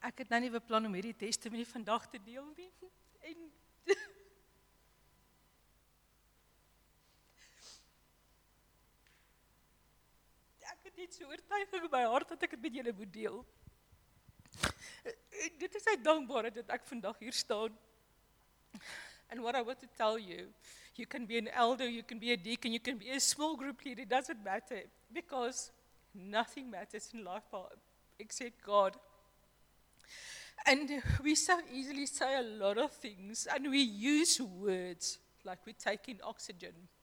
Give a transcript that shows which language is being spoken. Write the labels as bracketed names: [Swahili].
[Afrikaans] Ek het nou nie beplan om hierdie testimonie vandag te deel nie. En dit is oortuiging in my hart dat ek het met julle moet deel. Dit is uit dankbaarheid dat ek vandag hier staan. [English] And what I want to tell you, you can be an elder, you can be a deacon, you can be a small group leader, it doesn't matter, because nothing matters in life except God. And we so easily say a lot of things, and we use words like we're taking oxygen.